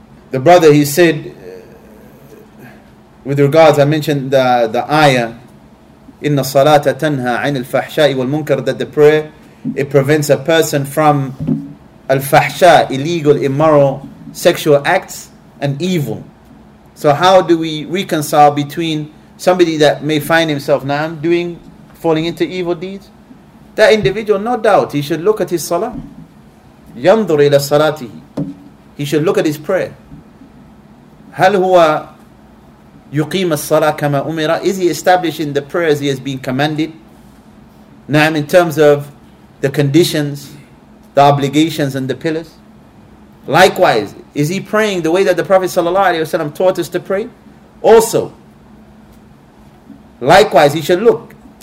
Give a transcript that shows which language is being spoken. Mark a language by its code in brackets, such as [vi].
[en] The brother, he said, with regards, I mentioned the ayah, [ar] إِنَّ الصَّلَاةَ تَنْهَى عَنِ الْفَحْشَاءِ وَالْمُنْكَرِ, [en] that the prayer, it prevents a person from الفحشاء, illegal, immoral, sexual acts, and evil. So how do we reconcile between somebody that may find himself now doing, falling into evil deeds? That individual, no doubt, he should look at his salah. [ar] يَنْظُرْ إِلَى صَلَاتِهِ. [en] He should look at his prayer. [ar] هَلْ هُوَ يقيم الصلاة كما أمر. [en] Is he establishing the prayers he has been commanded? Na'am, in terms of the conditions, the obligations and the pillars. Likewise, is he praying the way that the Prophet ﷺ taught us to pray? Also, likewise, he should look.